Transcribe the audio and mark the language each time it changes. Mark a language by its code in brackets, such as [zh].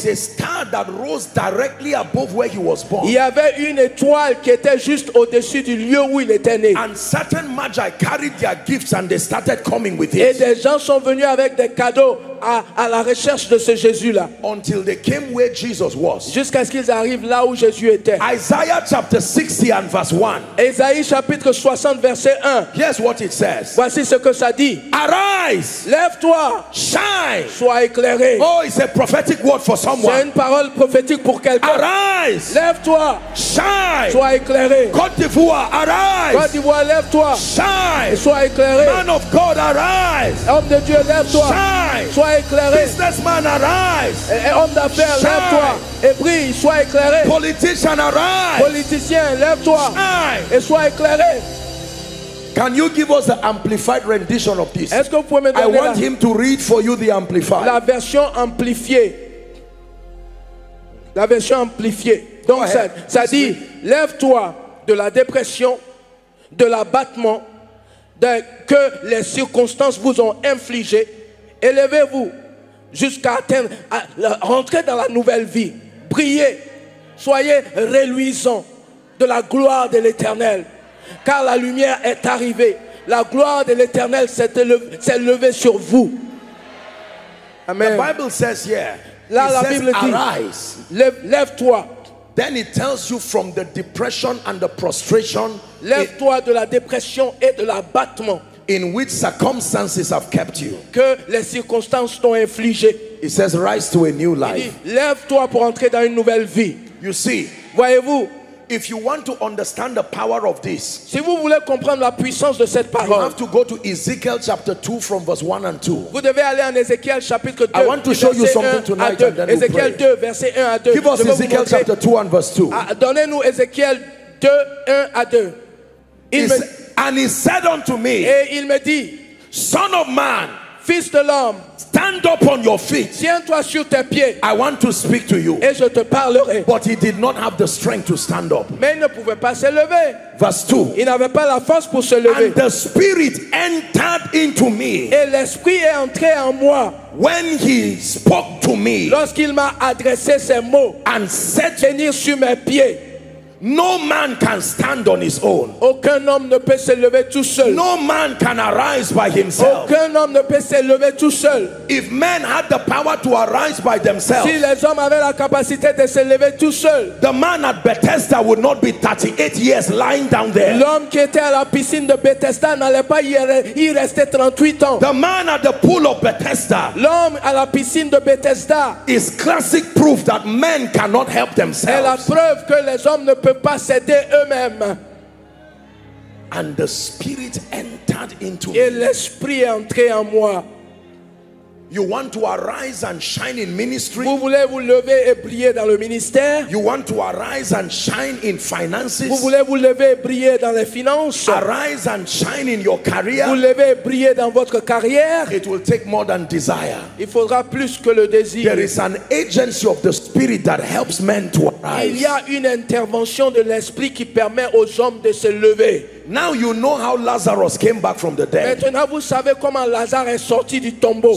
[en] There was a star that rose directly above where he was born. [fr] Il y avait une étoile qui était juste au-dessus du lieu où il était né. [en] And certain magi carried their gifts and they started coming with it. [fr] Et des gens sont venus avec des cadeaux à la recherche de ce Jésus-là. [en] Until they came where Jesus was. [fr] Jusqu'à ce qu'ils arrivent là où Jésus était. [en] Isaiah chapter 60 and verse 1. [fr] Isaïe chapitre 60 verset 1. [en] Here's what it says. [fr] Voici ce que ça dit. [en] Arise. [fr] Lève-toi. [en] Shine. [fr] Sois éclairé. [en] Oh, it's a prophetic word for someone. [fr] C'est une parole prophétique pour quelqu'un. [en] Arise. [fr] Lève-toi. [en] Shine. [fr] Sois éclairé. [en] Côte d'Ivoire, arise. [fr] Côte d'Ivoire, lève-toi. [en] Shine. [fr] Sois éclairé. [en] Man of God, arise. [fr] Homme de Dieu, lève-toi. [en] Shine. [fr] Sois éclairé. [en] Businessman, arise. [fr] Et homme d'affaires, [en] shine. [fr] Lève-toi. Et brille, sois éclairé. [en] Politician, arise. [fr] Politicien, lève-toi. [en] Shine. [fr] Et sois éclairé. [en] Can you give us the amplified rendition of this? [fr] Est-ce que vous pouvez me donner [en] I want him to read for you the amplified. [fr] La version amplifiée. La version amplifiée. Donc ça, ça dit, lève-toi de la dépression, de l'abattement que les circonstances vous ont infligé. Élevez-vous jusqu'à atteindre, rentrer dans la nouvelle vie. Brillez, soyez reluisant de la gloire de l'Éternel. Car la lumière est arrivée. La gloire de l'Éternel s'est levée sur vous. [en] Amen. The Bible says here. [fr] Là, [en] it [fr] la [en] says, [fr] Bible dit, [en] arise. [fr] Lève-toi. [en] Then it tells you from the depression and the prostration. [fr] Lève-toi de la dépression et de l'abattement. [en] In which circumstances have kept you. [fr] Que les circonstances t'ont infligé. [en] It says rise to a new life. [fr] Il dit, lève-toi pour entrer dans une nouvelle vie. [en] You see. [fr] Voyez-vous. [en] If you want to understand the power of this, [fr] si vous voulez comprendre la puissance de cette parole, [en] you have to go to Ezekiel chapter 2 from verse 1 and 2. [fr] Vous devez aller en Ezekiel chapitre 2. [en] I want to show you something tonight and then we'll pray. [fr] Ezekiel 2 verset 1 à 2. [en] Give us Ezekiel chapter 2 and verse 2. [fr] Donnez-nous Ezekiel 2 1 à 2. [en] And he said unto me, [fr] et il me dit, [en] son of man, [fr] fils de l'homme, [en] stand up on your feet. [fr] Tiens-toi sur tes pieds. [en] I want to speak to you. [fr] Et je te parlerai. [en] But he did not have the strength to stand up. [fr] Mais il ne pouvait pas se lever. [en] Verse 2. [fr] Il n'avait pas la force pour se lever. [en] And the spirit entered into me. [fr] Et l'esprit est entré en moi. [en] When he spoke to me. [fr] Lorsqu'il m'a adressé ces mots. [en] And set [fr] tenir sur mes pieds. [en] No man can stand on his own. [fr] Aucun homme ne peut se lever tout seul. [en] No man can arise by himself. [fr] Aucun homme ne peut se lever tout seul. [en] If men had the power to arise by themselves. [fr] Si les hommes avaient la capacité de se lever tout seul. [en] The man at Bethesda would not be 38 years lying down there. [fr] L'homme qui était à la piscine de Bethesda n'allait pas y rester 38 ans. [en] The man at the pool of Bethesda. [fr] L'homme à la piscine de Bethesda. [en] Is classic proof that men cannot help themselves. [fr] Est la preuve que les hommes ne peut pas céder eux-mêmes. [en] And the spirit entered into [fr] et l'esprit est entré en moi. [en] You want to arise and shine in ministry. [fr] Vous voulez vous lever et briller dans le ministère. [en] You want to arise and shine in finances. [fr] Vous voulez vous lever et briller dans les finances. [en] Arise and shine in your career. [fr] Vous lever et briller dans votre carrière. [en] It will take more than desire. [fr] Il faudra plus que le désir. [en] There is an agency of the spirit that helps men to arise. [fr] Il y a une intervention de l'esprit qui permet aux hommes de se lever. [en] Now you know how Lazarus came back from the dead. [fr] Maintenant vous savez comment Lazare est sorti du tombeau.